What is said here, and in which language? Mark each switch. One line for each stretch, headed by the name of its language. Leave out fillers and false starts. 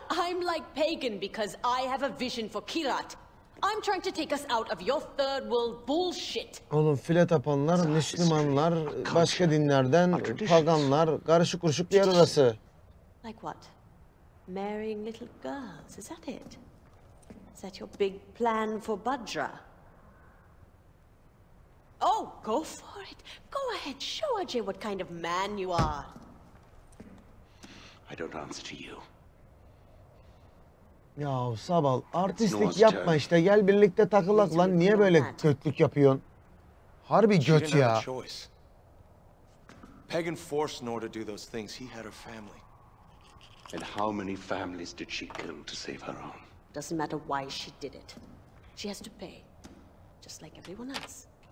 English: I'm like Pagan because I have a vision for Kirat. I'm trying to take us out of your third world bullshit.
Turkish: Oğlum file tapanlar, Müslümanlar, başka dinlerden, paganlar, karışık kuruşuk bir yer orası.
English: Like what? Marrying little girls, is that it? Is that your big plan for Budra? Oh, go for it. Go ahead, show Ajay what kind of man you are. I don't answer to you.
Turkish: Ya Sabal, artistlik yapma işte. Gel birlikte takılak lan. Niye böyle kötülük yapıyorsun? Harbi göt ya.
English: Pagan forced Nor to do those things. He had her family. And how many families did she kill to save her own? Doesn't matter why she did it. She has to pay. Just like everyone else.